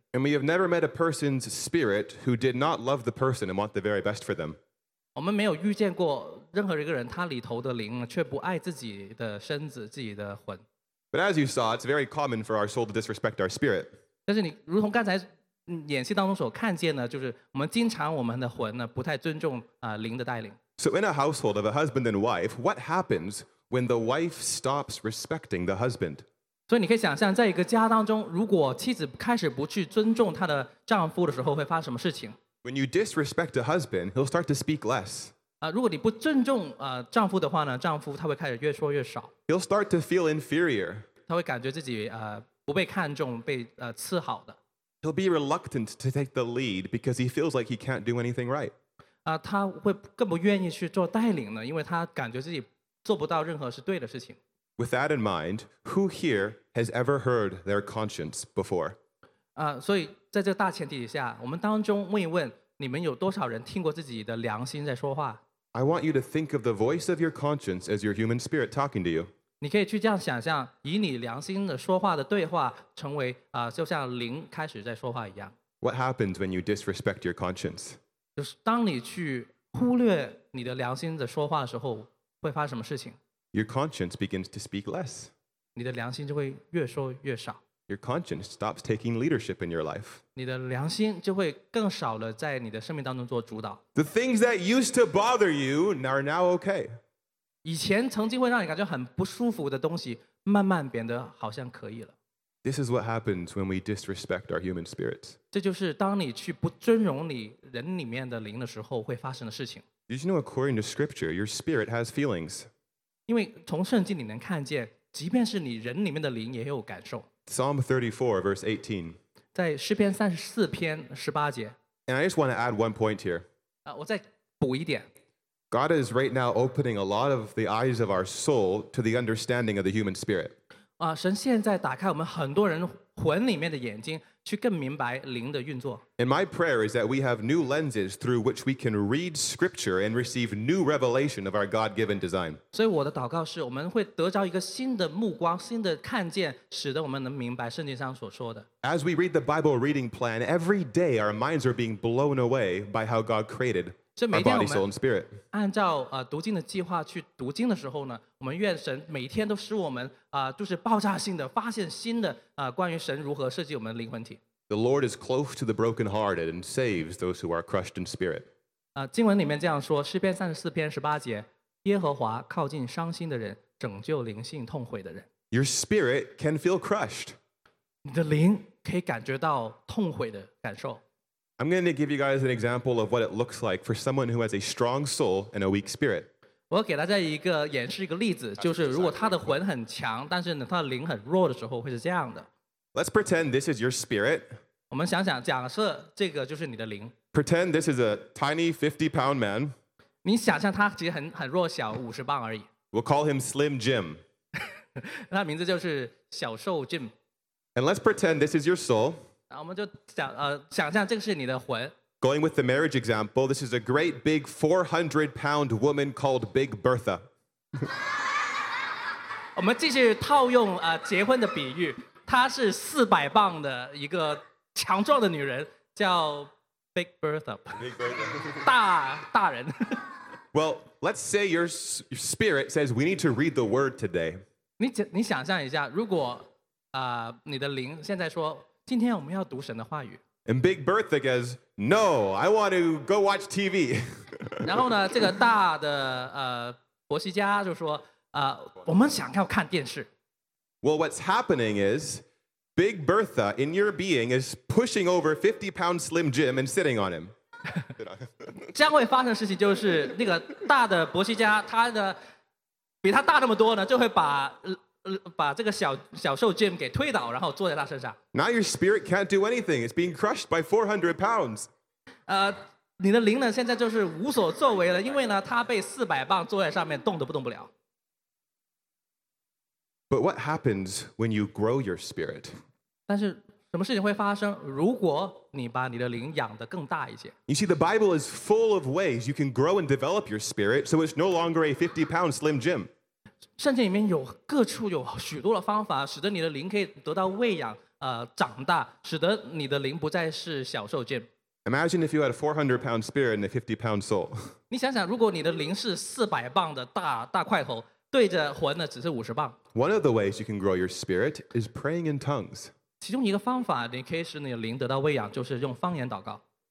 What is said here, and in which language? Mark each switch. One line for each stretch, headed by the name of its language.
English: And we have never met a person's spirit who did not love the person and want the very best for them.
Chinese: 我们没有遇见过任何一个人，他里头的灵却不爱自己的身子、自己的魂。
English: But as you saw, it's very common for our soul to disrespect our spirit.
Chinese: 但是你如同刚才演戏当中所看见的，就是我们经常我们的魂呢不太尊重灵的带领。
English: So in a household of a husband and wife, what happens when the wife stops respecting the husband?
Chinese: 所以你可以想象，在一个家当中，如果妻子开始不去尊重她的丈夫的时候，会发生什么事情？
English: When you disrespect a husband, he'll start to speak less.
Chinese: 如果你不尊重丈夫的话呢，丈夫他会开始越说越少。
English: He'll start to feel inferior.
Chinese: 他会感觉自己不被看重，被伺候的。
English: He'll be reluctant to take the lead because he feels like he can't do anything right.
Chinese: 他会更不愿意去做带领呢，因为他感觉自己做不到任何是对的事情。
English: With that in mind, who here has ever heard their conscience before?
Chinese: 所以在这大前提下，我们当中问一问，你们有多少人听过自己的良心在说话？
English: I want you to think of the voice of your conscience as your human spirit talking to you.
Chinese: 你可以去这样想象，以你良心的说话的对话，成为就像灵开始在说话一样。
English: What happens when you disrespect your conscience?
Chinese: 就是当你去忽略你的良心的说话的时候，会发生什么事情？
English: Your conscience begins to speak less.
Chinese: 你的良心就会越说越少。
English: Your conscience stops taking leadership in your life.
Chinese: 你的良心就会更少了在你的生命当中做主导。
English: The things that used to bother you are now okay.
Chinese: 以前曾经会让你感觉很不舒服的东西，慢慢变得好像可以了。
English: This is what happens when we disrespect our human spirits.
Chinese: 这就是当你去不尊荣你人里面的灵的时候会发生的事情。
English: Did you know according to scripture, your spirit has feelings?
Chinese: 因为从圣经你能看见，即便是你人里面的灵也有感受。
English: Psalm 34, verse 18.
Chinese: 在诗篇三十四篇十八节。
English: And I just want to add one point here.
Chinese: 我再补一点。
English: God is right now opening a lot of the eyes of our soul to the understanding of the human spirit.
Chinese: 神现在打开我们很多人魂里面的眼睛，去更明白灵的运作。
English: And my prayer is that we have new lenses through which we can read scripture and receive new revelation of our God-given design.
Chinese: 所以我的祷告是我们会得着一个新的目光，新的看见，使得我们能明白圣经上所说的。
English: As we read the Bible reading plan, every day our minds are being blown away by how God created our body, soul, and spirit.
Chinese: 按照读经的计划去读经的时候呢，我们愿神每天都使我们就是爆炸性的发现新的关于神如何设计我们的灵魂体。
English: The Lord is close to the brokenhearted and saves those who are crushed in spirit.
Chinese: 经文里面这样说，诗篇三十四篇十八节，耶和华靠近伤心的人，拯救灵性痛悔的人。
English: Your spirit can feel crushed.
Chinese: 你的灵可以感觉到痛悔的感受。
English: I'm going to give you guys an example of what it looks like for someone who has a strong soul and a weak spirit.
Chinese: 我给大家一个演示一个例子，就是如果他的魂很强，但是呢他的灵很弱的时候，会是这样的。
English: Let's pretend this is your spirit.
Chinese: 我们想想，假设这个就是你的灵。
English: Pretend this is a tiny 50-pound man.
Chinese: 你想象他其实很弱小，五十磅而已。
English: We'll call him Slim Jim.
Chinese: 他名字就是小瘦 Jim.
English: And let's pretend this is your soul.
Chinese: 我们就想象这个是你的魂。
English: Going with the marriage example, this is a great big 400-pound woman called Big Bertha.
Chinese: 我们继续套用结婚的比喻，她是400磅的一个强壮的女人，叫 Big Bertha.
English: Big Bertha.
Chinese: 大人。
English: Well, let's say your spirit says we need to read the word today.
Chinese: 你想象一下，如果你的灵现在说今天我们要读神的话语。
English: And Big Bertha goes, no, I want to go watch TV.
Chinese: 然后呢, 这个大的, 博西家就说, 我们想要看电视。
English: Well, what's happening is Big Bertha in your being is pushing over 50-pound Slim Jim and sitting on him.
Chinese: 将会发生的事情就是 那个大的博西家, 他的, 比他大那么多呢, 就会把, 把这个小兽Jim给推倒, 然后坐在他身上。
English: Now your spirit can't do anything. It's being crushed by 400 pounds.
Chinese: 你的灵呢, 现在就是无所作为了, 因为呢, 他被400磅坐在上面, 动都不动不了。
English: But what happens when you grow your spirit?
Chinese: 但是什么事情会发生, 如果你把你的灵养得更大一些。
English: You see, the Bible is full of ways you can grow and develop your spirit, so it's no longer a 50-pound Slim Jim.
Chinese: 圣经里面有各处有许多的方法, 使得你的灵可以得到喂养, 长大, 使得你的灵不再是小兽Jim。
English: Imagine if you had a 400-pound spirit and a 50-pound soul.
Chinese: 你想想,如果你的灵是400磅的大块头, 对着魂的只是50磅。
English: One of the ways you can grow your spirit is praying in tongues.
Chinese: 其中一个方法你可以使你的灵得到喂养,就是用方言祷告。